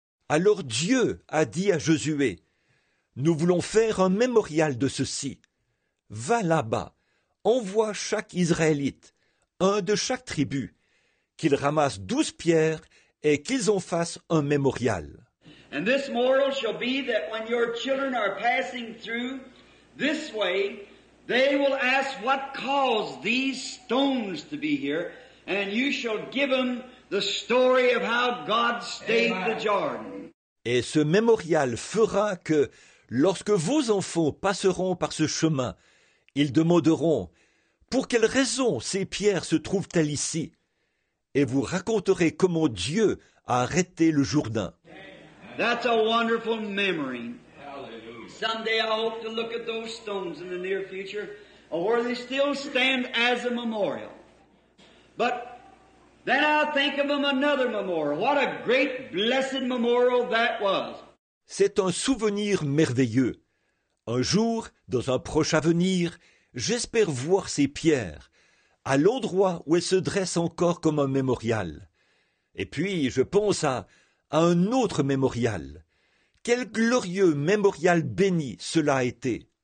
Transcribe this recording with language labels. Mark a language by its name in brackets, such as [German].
[French] Alors Dieu a dit à Josué, nous voulons faire un mémorial de ceci. Va là-bas, envoie chaque Israélite, un de chaque tribu, qu'ils ramassent 12 pierres et qu'ils en fassent un mémorial. [English] And this memorial shall be that when your children are passing through this way, they will ask what caused these stones to be here, and you shall give them the story of how God stayed the Jordan. [French] Et ce mémorial fera que, lorsque vos enfants passeront par ce chemin, ils demanderont, pour quelle raison ces pierres se trouvent-elles ici? Et vous raconterez comment Dieu a arrêté le Jourdain. [English] That's a wonderful memory. Hallelujah. Someday I hope to look at those stones in the near future or where they still stand as a memorial. But then I think of them another memorial. What a great blessed memorial that was. [French] C'est un souvenir merveilleux. Un jour, dans un proche avenir, j'espère voir ces pierres, à l'endroit où elles se dressent encore comme un mémorial. Et puis, je pense à un autre mémorial. Quel glorieux mémorial béni cela a été.